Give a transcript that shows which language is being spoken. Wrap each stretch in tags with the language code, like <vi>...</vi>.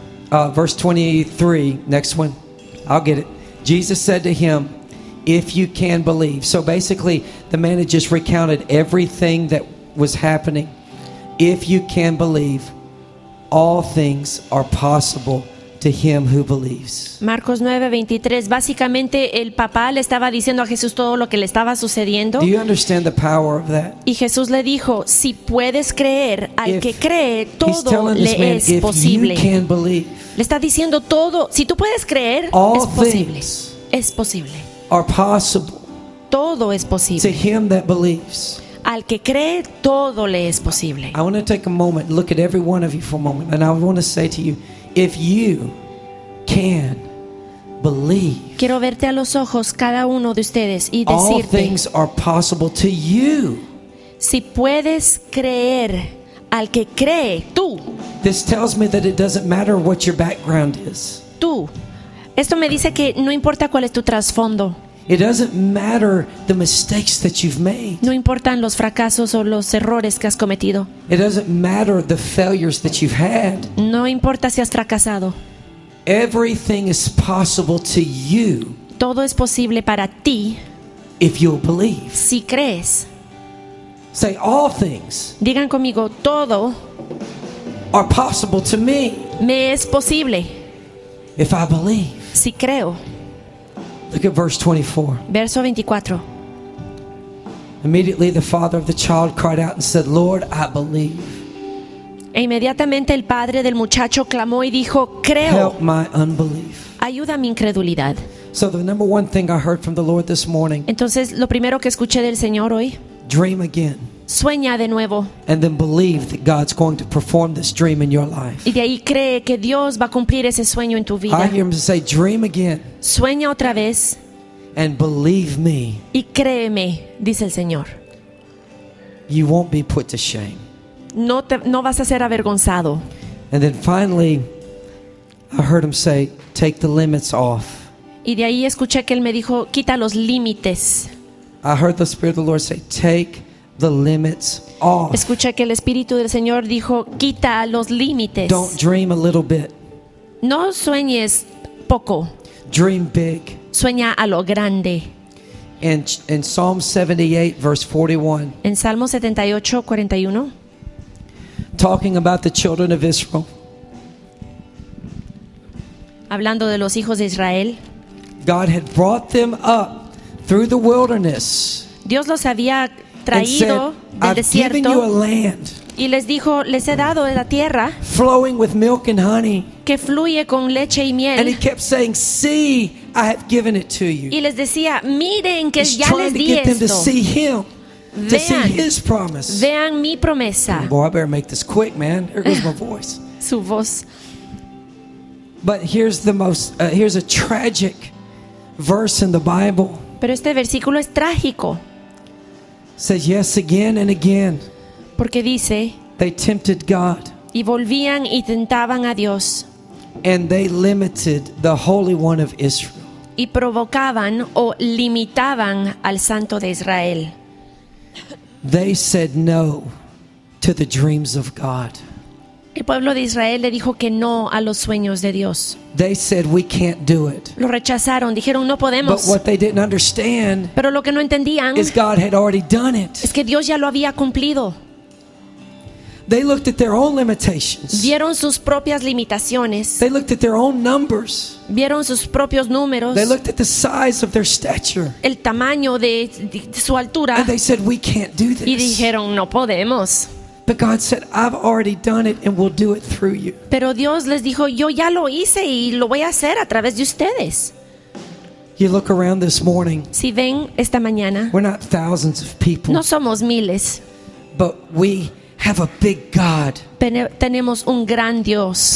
<en>Verse 23, next one. I'll get it. Jesus said to him, "If you can believe." So basically, the man had just recounted everything that was happening. "If you can believe, all things are possible to him who believes."</en> <es>Marcos 9:23. Básicamente, el papá le estaba diciendo a Jesús todo lo que le estaba sucediendo.</es> <en>Do you understand the power of that?</en> <es>Y Jesús le dijo, si puedes creer, al que cree, todo le es posible.</es> <en>If you can believe,</en> <es>le está diciendo todo. Si tú puedes creer, es posible.</es> <en>Are possible.</en> <es>Todo es posible.</es> <en>To him that believes.</en> <es>Al que cree, todo le es posible.</es> <en>I want to take a moment, look at every one of you for a moment, and I want to say to you, if you can believe,</en> <es>quiero verte a los ojos cada uno de ustedes y decirte,</es> <en>all things are possible to you.</en> <es>Si puedes creer, al que cree, tú.</es> <en>This tells me that it doesn't matter what your background is.</en> <es>Tú. Esto me dice que no importa cuál es tu trasfondo.</es> <en>It doesn't matter the mistakes that you've made.</en> <es>No importan los fracasos o los errores que has cometido.</es> <en>It doesn't matter the failures that you've had.</en> <es>No importa si has fracasado.</es> <en>Everything is possible to you.</en> <es>Todo es posible para ti.</es> <en>If you'll believe.</en> <es>Si crees.</es> <en>Say all things.</en> <es>Digan conmigo, todo.</es> <en>Are possible to me.</en> <es>Me es posible.</es> <en>If I believe.</en> <es>Si creo.</es> <en>Look at verse 24.</en> <es>Verso 24.</es> <en>Immediately the father of the child cried out and said, "Lord, I believe."</en> <es>E inmediatamente el padre del muchacho clamó y dijo, "Creo."</es> <en>Help my unbelief.</en> <es>Ayuda mi incredulidad.</es> <en>So the number one thing I heard from the Lord this morning.</en> <es>Entonces lo primero que escuché del Señor hoy.</es> <en>Dream again.</en> <es>Sueña de nuevo.</es> <en>And then believe that God's going to perform this dream in your life.</en> <es>Y de ahí cree que Dios va a cumplir ese sueño en tu vida.</es> <en>I hear him say, "Dream again."</en> <es>Sueña otra vez.</es> <en>And believe me.</en> <es>Y créeme, dice el Señor.</es> <en>You won't be put to shame.</en> <es>No vas a ser avergonzado.</es> <en>And then finally, I heard him say, "Take the limits off."</en> <es>Y de ahí escuché que él me dijo, "Quita los límites."</es> <en>I heard the Spirit of the Lord say, "Take the limits off."</en> <es>Escuché que el Espíritu del Señor dijo, "Quita los límites."</es> <en>Don't dream a little bit.</en> <es>No sueñes poco.</es> <en>Dream big.</en> <es>Sueña a lo grande.</es> <en>In Psalm 78, verse 41.</en> <es>En Salmo 78:41.</es> <en>Talking about the children of Israel.</en> <es>Hablando de los hijos de Israel.</es> <en>God had brought them up through the wilderness.</en> <es>Dios los había traído del desierto y les dijo, les he dado la tierra</es> <en>flowing with milk and honey,</en> <es>que fluye con leche y miel.</es> <en>And he kept saying, "See, I have given it to you."</en> <es>Y les decía, miren que</es> <en>he's</en> <es>ya les di esto.</es> <en>He's trying to get them to see him,</en> <es>vean,</es> <en>to see his promise.</en> <es>Vean mi promesa.</es> <en>Oh, boy, I better make this quick, man. Here goes my voice.</en> <es>Su voz.</es> <en>But here's the most. Here's a tragic verse in the Bible.</en> <es>Pero este versículo es trágico.</es> <en>Says yes again and again.</en> <es>Porque dice,</es> <en>they tempted God.</en> <es>y volvían y tentaban a Dios.</es> <en>And they limited the Holy One of Israel.</en> <es>Y provocaban o limitaban al Santo de Israel.</es> <en>They said no to the dreams of God.</en> <es>El pueblo de Israel le dijo que no a los sueños de Dios.</es> <en>They said we can't do it.</en> <es>Lo rechazaron, dijeron no podemos.</es> <en>But what they didn't understand,</en> <es>pero lo que no entendían,</es> <en>is God had already done it.</en> <es>Es que Dios ya lo había cumplido.</es> <en>They looked at their own limitations.</en> <es>Vieron sus propias limitaciones.</es> <en>They looked at their own numbers.</en> <es>Vieron sus propios números.</es> <en>They looked at the size of their stature.</en> <es>El tamaño de su altura.</es> <en>And they said, "We can't do this."</en> <es>Y dijeron, "No podemos."</es> <en>But God said, "I've already done it and will do it through you."</en> <es>Pero Dios les dijo, "Yo ya lo hice y lo voy a hacer a través de ustedes."</es> <en>You look around this morning.</en> <es>Si ven esta mañana.</es> <en>We're not thousands of people.</en> <es>No somos miles.</es> <en>But we have a big God.</en> <es>Tenemos un gran Dios.</es>